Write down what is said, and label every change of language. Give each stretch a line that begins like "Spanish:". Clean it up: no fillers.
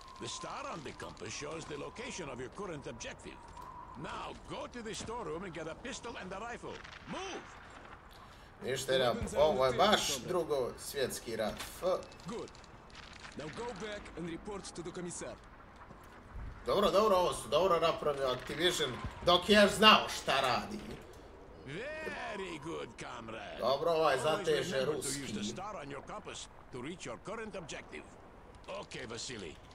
English: The star on the compass shows the location of your current objective. Now go to the storeroom and get a pistol and a rifle. Move!
Croatian: Ništa, ovo je baš drugo svjetski rat.
English: Good. Now go back and report to the commissar.
Croatian: Dobro, ovo su dobro napravio Activision, dok je znao šta radi.
English: Very good, comrade.
Croatian: Dobro, ovaj zateže ruski.
English: Use the star on your compass to reach your current objective. Okay, Vasily.